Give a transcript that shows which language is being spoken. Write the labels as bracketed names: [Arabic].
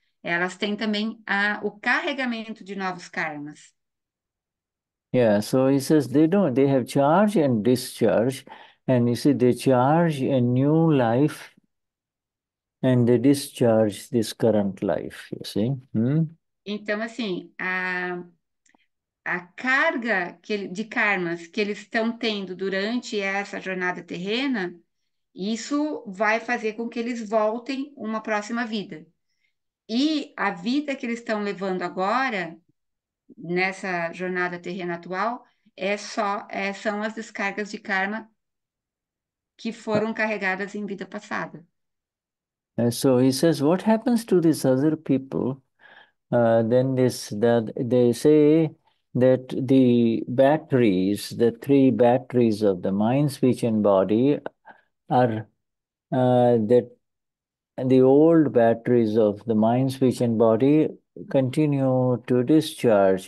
[Portuguese] Elas têm também o carregamento de novos karmas. [English] So he says they have charge and discharge, and you see they charge a new life and they discharge this current life, you see? [Portuguese] Então, assim, a carga de karmas que eles estão tendo durante essa jornada terrena, isso vai fazer com que eles voltem uma próxima vida. E a vida que eles estão levando agora, nessa jornada terrena atual, são as descargas de karma que foram carregadas em vida passada. [English] So he says, what happens to these other people? Then they say that the batteries, the three batteries of the mind, speech, and body, are that the old batteries of the mind, speech, and body continue to discharge.